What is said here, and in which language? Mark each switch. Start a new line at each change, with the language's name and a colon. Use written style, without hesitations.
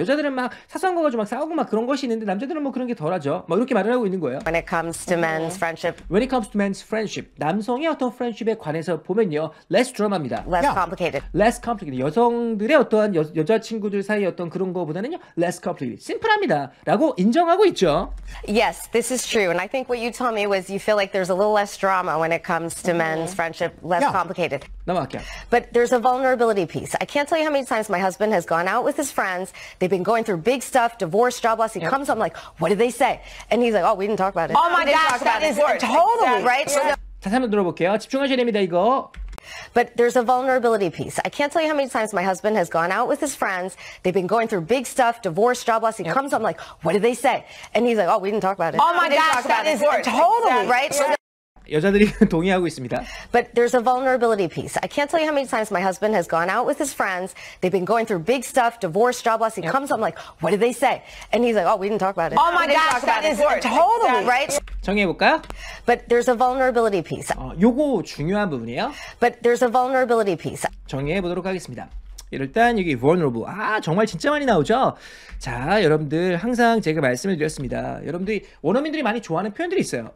Korean: 여자들은 막 사소한 거 가지고 막 싸우고 막 그런 것이 있는데 남자들은 뭐 그런 게 덜하죠. 막 이렇게 말을 하고 있는 거예요.
English: When it comes to men's friendship. When it comes to men's friendship.
Korean: 남성의 어떤 friendship에 관해서 보면요.
English: Less drama입니다. Less yeah. complicated. Less complicated.
Korean: 여성들의 어떠한 여자친구들 사이의 어떤 그런 거보다는요.
English: Less complicated.
Korean: 심플합니다. 라고 인정하고 있죠.
English: Yes, this is true. And I think what you told me was you feel like there's a little less drama when it comes to mm-hmm. men's friendship. Less yeah. complicated.
Korean: 넘어갈게요.
English: But there's a vulnerability piece. I can't tell you how many times my husband has gone out with his friends. They've been going through big stuff, divorce, job loss. He yep. comes home like, what did they say? And he's like, oh, we didn't talk about it. Oh my gosh, that is divorce. Totally, exactly. right?
Korean: Yeah. 다시 한번 들어볼게요. 집중하셔야 됩니다, 이거.
English: But there's a vulnerability piece. I can't tell you how many times my husband has gone out with his friends. They've been going through big stuff, divorce, job loss. He comes, I'm like, what did they say? And he's like, oh, we didn't talk about it. Oh my gosh, that is totally right. Yeah.
Korean: 여자들이 동의하고 있습니다.
English: But there's a vulnerability piece. I can't tell you how many times my husband has gone out with his friends. They've been going through big stuff, divorce, job loss. He comes, I'm like, what did they say? And he's like, oh, we didn't talk about it. Oh my gosh, that is totally right.
Korean: 정리해볼까요?
English: But there's a vulnerability piece.
Korean: 요거 중요한 부분이에요.
English: But there's a vulnerability piece.
Korean: 정리해보도록 하겠습니다. 일단 여기 vulnerable. 아, 정말 진짜 많이 나오죠? 자, 여러분들 항상 제가 말씀을 드렸습니다. 여러분들이 원어민들이 많이 좋아하는 표현들이 있어요.